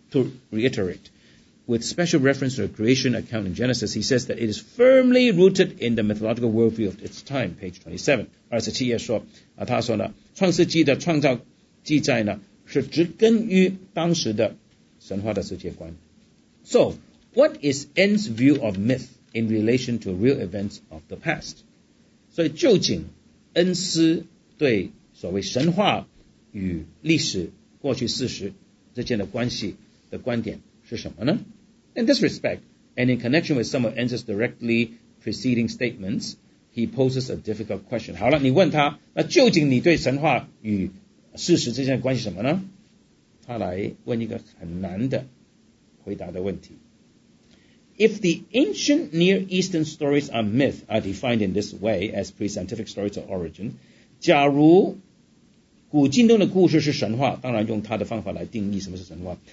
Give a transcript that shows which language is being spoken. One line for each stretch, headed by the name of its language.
English: To reiterate, with special reference to the creation account in Genesis, he says that it is firmly rooted in the mythological worldview of its time. Page 27.
Chinese: 27页说他说呢。创世纪的创造记载呢，是植根于当时的神话的世界观。
English: So, what is Ents' view of myth in relation to real events of the past?
Chinese: 所以究竟恩斯对所谓神话与历史过去事实之间的关系的观点是什么呢？
English: In this respect, And in connection with some of Enzer's directly preceding statements, he poses a difficult question.
Chinese: 好了，你问他，那究竟你对神话与事实之间的关系什么呢？他来问一个很难的回答的问题。
English: If the ancient Near Eastern stories are myth, are defined in this way as pre-scientific stories of origin,
Chinese: 假如古近东的故事是神话，当然用他的方法来定义什么是神话。